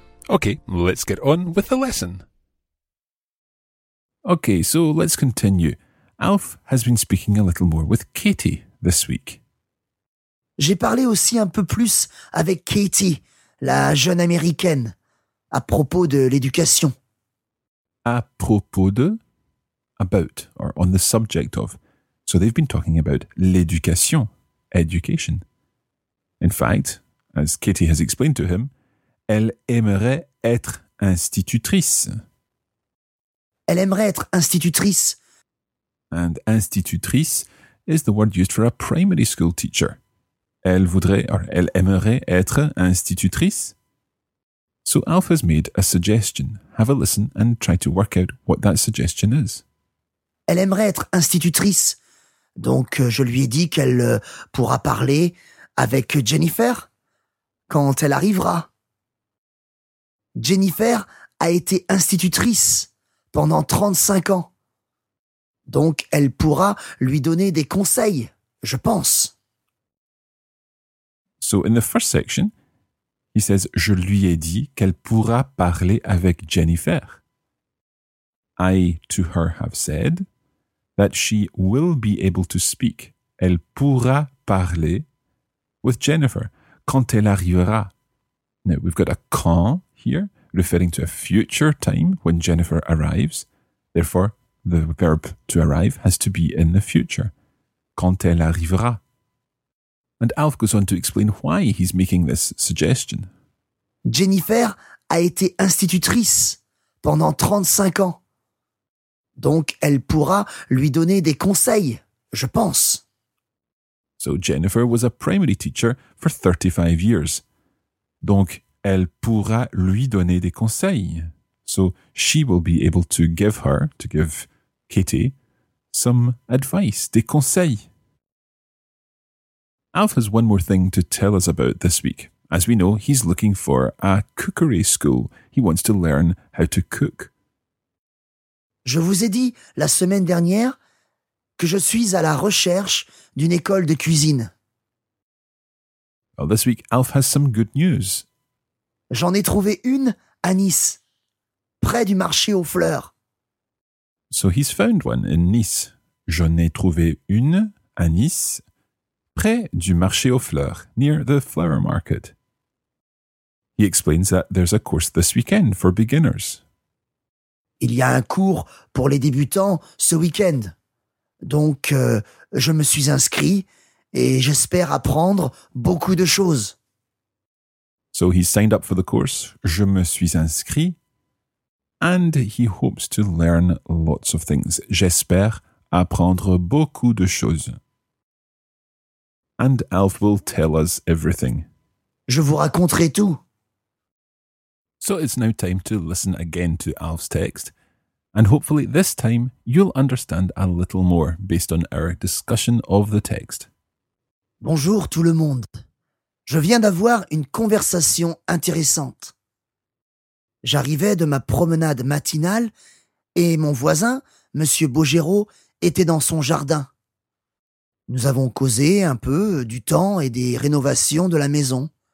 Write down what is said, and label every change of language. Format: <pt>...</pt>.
<en>Okay, let's get on with the lesson. Okay, so let's continue. Alf has been speaking a little more with Katie this week.</en> <fr>J'ai parlé aussi un peu plus avec Katie, la jeune américaine, à propos de l'éducation. À propos de?</fr> <en>About, or on the subject of. So they've been talking about l'éducation, education. In fact, as Katie has explained to him,</en> <fr>elle aimerait être institutrice. Elle aimerait être institutrice.</fr> <en>And institutrice is the word used for a primary school teacher.</en> <fr>Elle aimerait être institutrice.</fr> <en>So Alf has made a suggestion. Have a listen and try to work out what that suggestion is.</en> <fr>Elle aimerait être institutrice. Donc, je lui ai dit qu'elle pourra parler avec Jennifer quand elle arrivera. Jennifer a été institutrice pendant 35 ans. Donc, elle pourra lui donner des conseils, je pense.</fr> <en>So, in the first section, he says,</en> <fr>je lui ai dit qu'elle pourra parler avec Jennifer.</fr> <en>I, to her, have said that she will be able to speak.</en> <fr>Elle pourra parler</fr> <en>with</en> <fr>Jennifer quand elle arrivera.</fr> <en>Now, we've got a quand here, referring to a future time when Jennifer arrives. Therefore, the verb to arrive has to be in the future.</en> <fr>Quand elle arrivera.</fr> <en>And Alf goes on to explain why he's making this suggestion.</en> <fr>Jennifer a été institutrice pendant 35 ans. Donc, elle pourra lui donner des conseils, je pense.</fr> <en>So, Jennifer was a primary teacher for 35 years.</en> <fr>Donc, elle pourra lui donner des conseils.</fr> <en>So, she will be able to give her, to give Katie, some advice,</en> <fr>des conseils.</fr> <en>Alf has one more thing to tell us about this week. As we know, he's looking for a cookery school. He wants to learn how to cook.</en> <fr>Je vous ai dit la semaine dernière que je suis à la recherche d'une école de cuisine.</fr> <en>Well, this week, Alf has some good news.</en> <fr>J'en ai trouvé une à Nice, près du marché aux fleurs.</fr> <en>So he's found one in Nice.</en> <fr>J'en ai trouvé une à Nice, près du marché aux fleurs,</fr> <en>near the flower market. He explains that there's a course this weekend for beginners.</en> <fr>Il y a un cours pour les débutants ce week-end. Donc, je me suis inscrit et j'espère apprendre beaucoup de choses.</fr> <en>So he signed up for the course.</en> <fr>Je me suis inscrit.</fr> <en>And he hopes to learn lots of things.</en> <fr>J'espère apprendre beaucoup de choses.</fr> <en>And Alf will tell us everything.</en> <fr>Je vous raconterai tout.</fr> <en>So it's now time to listen again to Alf's text. And hopefully this time you'll understand a little more based on our discussion of the text.</en> <fr>Bonjour tout le monde. Je viens d'avoir une conversation intéressante. J'arrivais de ma promenade matinale et mon voisin, Monsieur Bogero, était dans son jardin. Nous avons causé un peu du temps et des rénovations de la maison.</fr>